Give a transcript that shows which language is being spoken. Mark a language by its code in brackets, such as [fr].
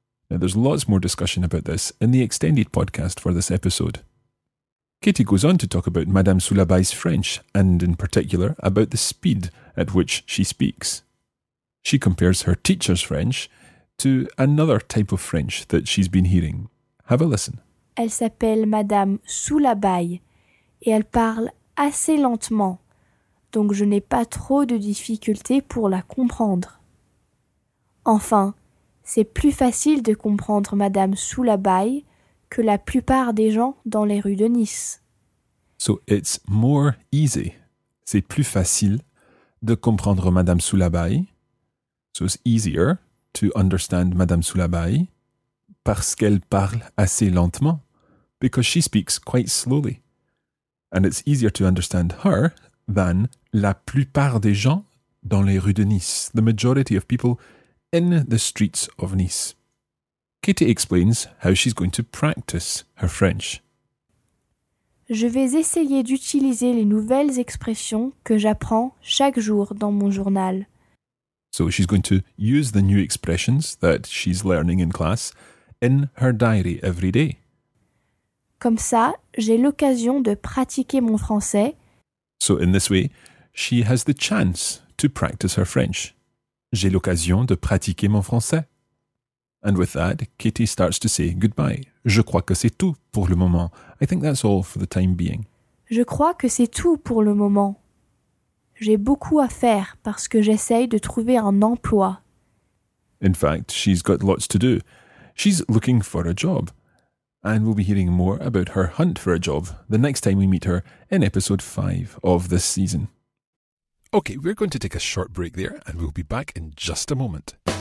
[en] Now, there's lots more discussion about this in the extended podcast for this episode. Katie goes on to talk about Madame Soulabye's French, and in particular, about the speed at which she speaks. She compares her teacher's French to another type of French that she's been hearing. Have a listen. [fr] Elle s'appelle Madame Soulabye, et elle parle assez lentement, donc je n'ai pas trop de difficultés pour la comprendre. Enfin, c'est plus facile de comprendre Madame sous la baille que la plupart des gens dans les rues de Nice. [en] So it's more easy. [fr] C'est plus facile de comprendre Madame sous la baille. [en] So it's easier to understand Madame sous la baille [fr] parce qu'elle parle assez lentement. [en] Because she speaks quite slowly. And it's easier to understand her than [fr] la plupart des gens dans les rues de Nice. [en] The majority of people in the streets of Nice. Katie explains how she's going to practice her French. [fr] Je vais essayer d'utiliser les nouvelles expressions que j'apprends chaque jour dans mon journal. [en] So she's going to use the new expressions that she's learning in class in her diary every day. [fr] Comme ça, j'ai l'occasion de pratiquer mon français. [en] So in this way, she has the chance to practice her French. [fr] J'ai l'occasion de pratiquer mon français. [en] And with that, Katie starts to say goodbye. [fr] Je crois que c'est tout pour le moment. [en] I think that's all for the time being. [fr] Je crois que c'est tout pour le moment. J'ai beaucoup à faire parce que j'essaye de trouver un emploi. [en] In fact, she's got lots to do. She's looking for a job. And we'll be hearing more about her hunt for a job the next time we meet her in episode 5 of this season. Okay, we're going to take a short break there and we'll be back in just a moment.